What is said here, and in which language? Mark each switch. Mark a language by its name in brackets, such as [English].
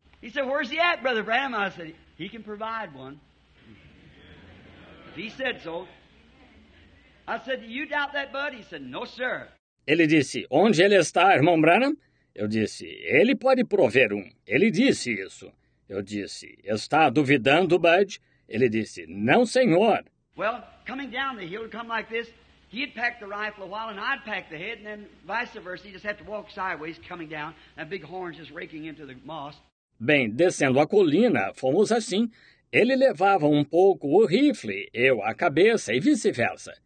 [English] He said, where's he at, Brother Branham? I said, he can provide one. If he said so. I said, do you doubt that, bud? He said, no, sir. [Portuguese] Ele disse, onde ele está, irmão Branham? Eu disse, ele pode prover um. Ele disse isso. Eu disse, está duvidando, bud? Ele disse, não, senhor. [English] Well, coming down the hill, come like this, he'd pack the rifle a while, and I'd pack the head, and then vice versa, he'd just have to walk sideways, coming down, and big horns just raking into the moss. [Portuguese] Bem, descendo a colina, fomos assim. Ele levava um pouco o rifle, eu a cabeça, e vice-versa.